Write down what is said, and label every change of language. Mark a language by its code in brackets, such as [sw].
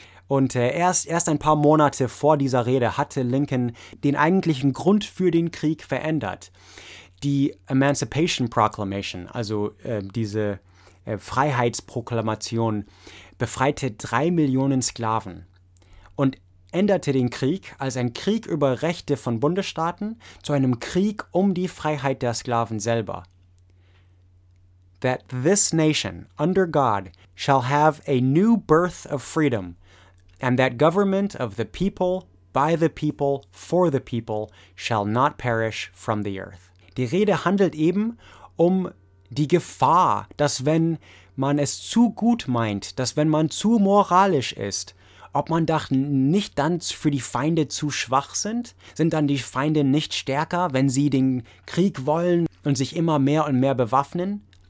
[de] Und erst ein paar Monate vor dieser Rede hatte Lincoln den eigentlichen Grund für den Krieg verändert. Die Emancipation Proclamation, also diese Freiheitsproklamation befreite 3 Millionen Sklaven und änderte den Krieg als ein Krieg über Rechte von Bundesstaaten zu einem Krieg um die Freiheit der Sklaven selber. [en] That this nation, under God, shall have a new birth of freedom, and that government of the people, by the people, for the people, shall not perish from the earth. [de] Die Rede handelt eben um die Gefahr, dass wenn man es zu gut meint, dass wenn man zu moralisch ist, ob man doch nicht dann für die Feinde zu schwach sind? Sind dann die Feinde nicht stärker, wenn sie den Krieg wollen und sich immer mehr und mehr bewaffnen?